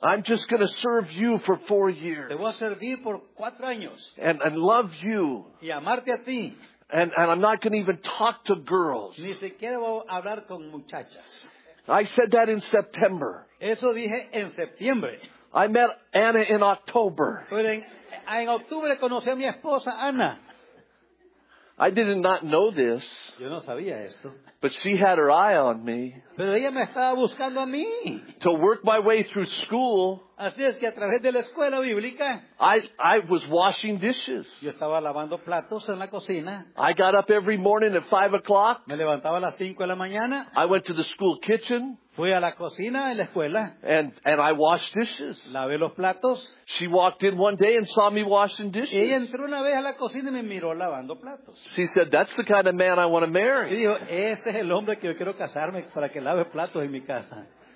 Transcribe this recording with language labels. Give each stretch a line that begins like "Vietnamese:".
English: I'm just going to serve you for 4 years.
Spanish: Te voy a servir por 4 años.
English: And love you.
Spanish: Y amarte a ti.
English: And I'm not going to even talk to girls.
Spanish: Ni siquiera voy a hablar con muchachas.
English: I said that in September.
Spanish: Eso dije en septiembre.
English: I met Anna in October.
Spanish: En octubre conocí a mi esposa Ana.
English: I did not know this.
Spanish: Yo no sabía esto.
English: But she had her eye on me.
Spanish: Pero ella me estaba buscando a mí.
English: To work my way through school.
Spanish: Así es que a través de la escuela bíblica.
English: I was washing dishes.
Spanish: Yo estaba lavando platos en la cocina.
English: I got up every morning at 5 o'clock.
Spanish: Me levantaba a las 5 de la mañana.
English: I went to the school kitchen.
Spanish: Fui a la cocina en la escuela.
English: And I washed dishes.
Spanish: Lavé los platos.
English: She walked in one day and saw me washing dishes.
Spanish: Ella entró una vez a la cocina y me miró lavando platos.
English: She said, "That's the kind of man I want to marry."
Spanish: Y dijo, ese es el hombre que yo quiero casarme para que lave platos en mi casa.